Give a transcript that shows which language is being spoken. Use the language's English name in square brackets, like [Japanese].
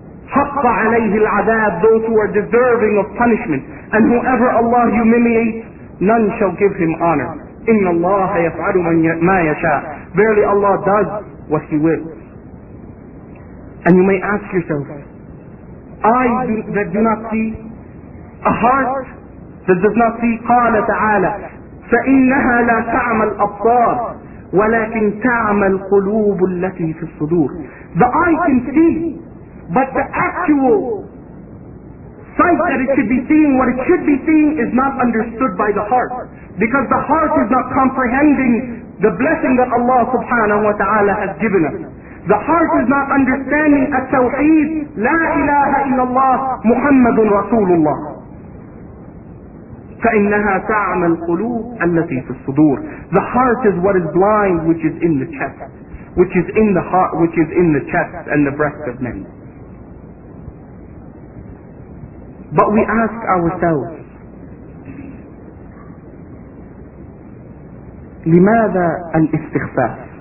[Arabic] حَقَّ عَلَيْهِ الْعَذَابِ, [English] those who are deserving of punishment, and whoever Allah humiliates, none shall give him honor. [Arabic] إن الله يفعل ما يشاء. [English] Verily Allah does what He wills. And you may ask yourself, eyes that do not see, a heart that does not see. [Arabic] قال تعالى فإنها لا تعمى الأبصار ولكن تعمى القلوب التي في الصدور. [English] The eye can see, but the actual sight that it should be seeing, what it should be seeing, is not understood by the heart. Because the heart is not comprehending the blessing that Allah subhanahu wa ta'ala has given us. The heart is not understanding التوحيد, [Arabic] لا إله إلا الله محمد رسول الله. فإنها تعمى القلوب التي في الصدور. [English] The heart is what is blind, which is in the chest. Which is in the heart, which is in the chest and the breast of men. But we ask ourselves, [Arabic] لماذا الاستخفاف?